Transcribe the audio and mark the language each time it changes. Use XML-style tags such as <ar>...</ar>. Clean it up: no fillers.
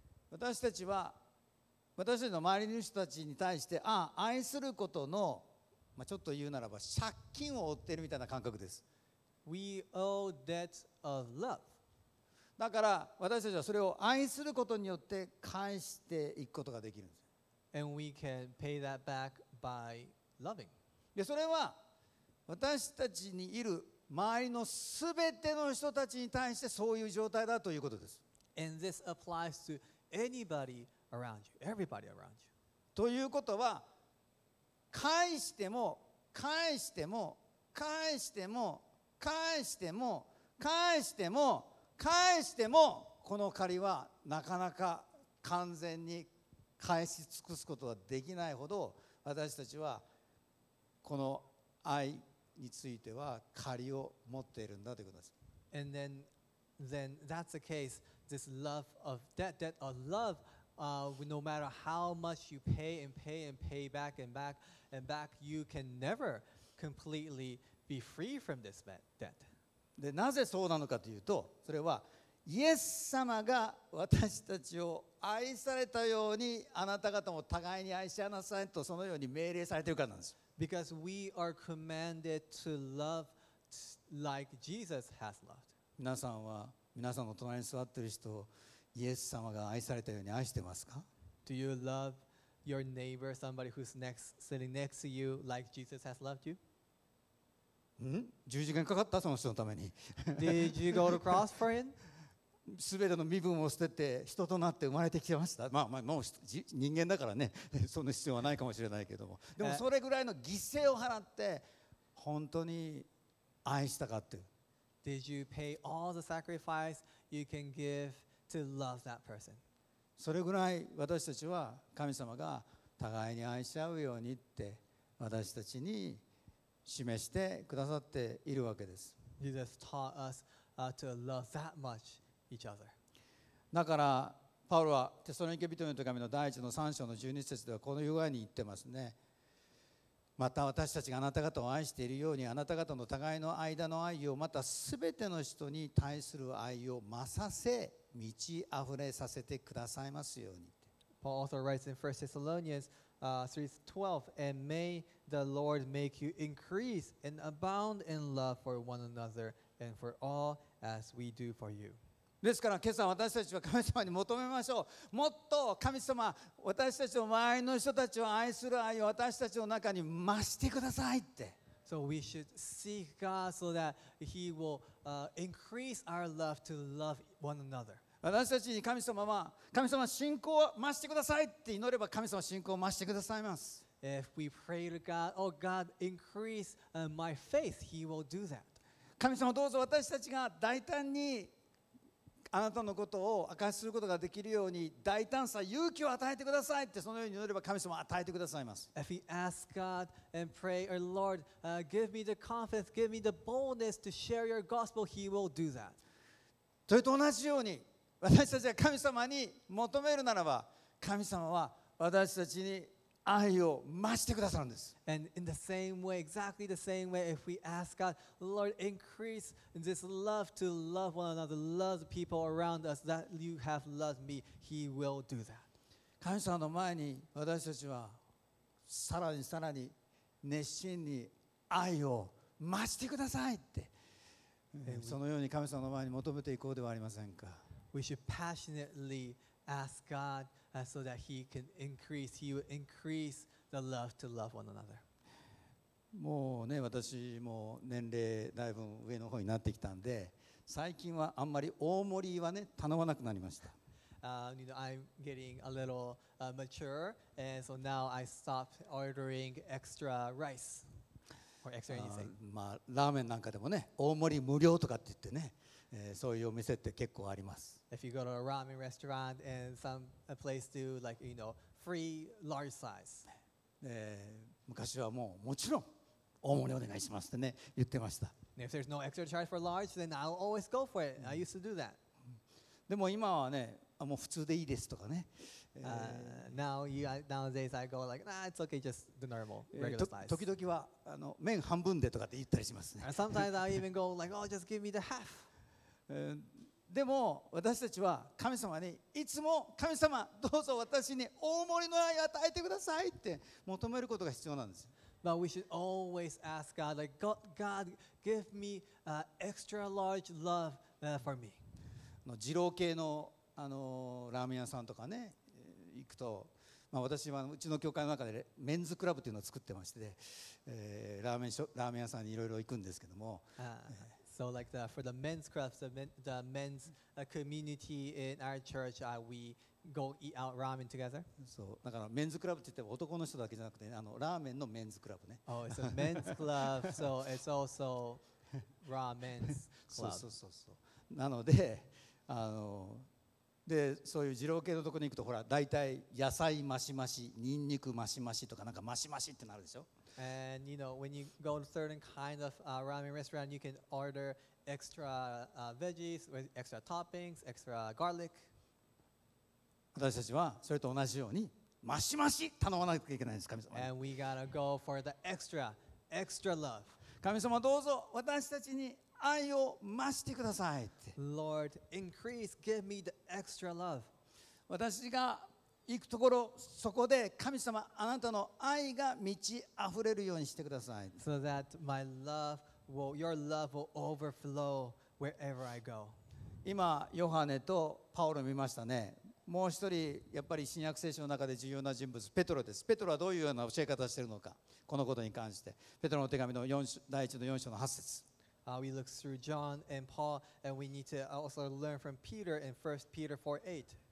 <ja>私たちは私たちの周りの人たちに対して、ああ愛することの、まあ、ちょっと言うならば借金を負っているみたいな感覚です。</ja> <en>We owe debt of love.</en> <ja>だから私たちはそれを愛することによって返していくことができるんです。</ja> <en>And we can pay that back by loving.</en> <ja>でそれは私たちにいる周りのすべての人たちに対してそういう状態だということです。</ja> <en>And this applies to anybody. Around you, everybody around you.</en> <ja>ということは返しても返しても返しても返しても返しても返してもこの借りはなかなか完全に返し尽くすことはできないほど私たちはこの愛については借りを持っているんだということです。</ja> <en>And then that's the case. This love of debt of loveNo matter how much you pay and pay and pay back and back and back, you can never completely be free from this debt.</en> <ja>で、なぜそうなのかというと、それはイエス様が私たちを愛されたようにあなた方も互いに愛し合いなさいとそのように命令されているからなんです。</ja> <en>Because we are commanded to love like Jesus has loved.</en> <ja>皆さんは皆さんの隣に座っている人をイエス様が愛されたように愛してますか？</ja> <en>Do you love your neighbor, somebody who's next, sitting next to you like Jesus has loved you?</en> <ja>十字架にかかったその人のために</ja> <en>Did you go to cross for him?</en> <ja>全ての身分を捨てて人となって生まれてきてました。まあまあもう人間だからねその必要はないかもしれないけども、でもそれぐらいの犠牲を払って本当に愛したかって</ja> <en>Did you pay all the sacrifice you can give to love that person?</en> <ja>それぐらい私たちは神様が互いに愛し合うようにって私たちに示してくださっているわけです。</ja> <en>Jesus taught us to love that much each other.</en> <ja>だからパウロはテサロニケ人への手紙の第一の3章の12節ではこのように言ってますね。また私たちがあなた方を愛しているようにあなた方の互いの間の愛をまたすべての人に対する愛を増させ満ち溢れさせてくださいますように。</ja> <en>Paul also writes in 1 Thessalonians 3:12, and may the Lord make you increase and abound in love for one another and for all as we do for you.</en> <ja>ですから今朝私たちは神様に求めましょう。もっと神様、私たちの周りの人たちを愛する愛を私たちの中に増してくださいって。</ja> <en>So we should seek God so that He will increase our love to love one another.</en> <ja>私たちに神様は神様信仰を増してくださいって祈れば神様信仰を増してくださいます。</ja> <en>If we pray to God, oh God, increase my faith, He will do that.</en> <ja>神様どうぞ私たちが大胆にあなたのことを明かしすることができるように大胆さ勇気を与えてくださいってそのように祈れば神様は与えてくださいます。</ja> <en>If we ask God and pray, or Lord, give me the confidence, give me the boldness to share your gospel, He will do that.</en> <ja>それと同じように私たちが神様に求めるならば神様は私たちに愛を増してくださるんです。</ja> <en>And in the same way, exactly the same way, if we ask God, Lord, increase this love to love one another, love the people around us that you have loved me, He will do that.</en> <ja>神様の前に私たちはさらにさらに熱心に愛を増してくださいって、そのように神様の前に求めていこうではありませんか。</ja> <en>We should passionately ask God so that He can increase, He will increase the love to love one another.</en> <ja>もうね、私も年齢だいぶ上の方になってきたんで、最近はあんまり大盛りはね、頼まなくなりました。</ja> <en>You know, I'm getting a little mature, and so now I stop ordering extra rice or extra anything.</en> <ja>まあラーメンなんかでもね、大盛り無料とかって言ってね。そういうお店って結構あります。</ja> <en>If you go to a ramen restaurant and some place do like you know free large size.</en> <ja>昔はもうもちろん大盛りお願いしますってね言ってました。</ja> <en>If there's no extra charge for large, then I'll always go for it. I used to do that.</en> <ja>でも今はね、もう普通でいいですとかね。</ja> <en>Nowadays I go like, nah, it's okay, just the normal, regular size.</en> <ja>時々はあの麺半分でとかって言ったりしますね。</ja> <en>Sometimes I even go like, oh, just give me the half.</en> <ja>でも私たちは神様にいつも神様どうぞ私に大盛りの愛を与えてくださいって求めることが必要なんです。</ja> <en>But we should always ask God, like God, God give me extra large love for me.</en> <ja>二郎系のあのラーメン屋さんとかね行くと、まあ私はうちの教会の中でメンズクラブっていうのを作ってまして、ラーメン屋さんにいろいろ行くんですけども。</ja> <en>So like the for the men's club, the men's community in our church, we go eat out ramen together.</en> <ja>So, だからメンズクラブって言っても男の人だけじゃなくて、あのラーメンのメンズクラブね。</ja> <en>Oh, it's a men's club, so it's also ramen's club.</en> <ja>そうそうそう。なので、あの、で、そういう二郎系のところに行くと、ほら、大体野菜増し増し、ニンニク増し増しとかなんか増し増しってなるでしょ。</ja> <en>And you know when you go to certain kind of ramen restaurant, you can order extra veggies, extra toppings, extra garlic.</en> <ja>私たちはそれと同じようにマシマシ頼まなきゃいけないんです、神様。</ja> <en>And we gotta go for the extra love.</en> <ja>神様どうぞ私たちに愛を増してくださいって。</ja> <en>Lord, increase, give me the extra love.</en> <ja>私が行くところ、そこで神様、あなたの愛が満ち溢れるようにしてください。</ja> <en>So that my love will, your love will overflow wherever I go.</en> <ja>今、ヨハネとパウロ見ましたね。もう一人やっぱり新約聖書の中で重要な人物ペトロです。ペトロはどういうような教え方をしているのか、このことに関してペトロの手紙の第一の4章の8節。</ja> <en>We look through John and Paul and we need to also learn from Peter in 1 Peter 4:8.</en>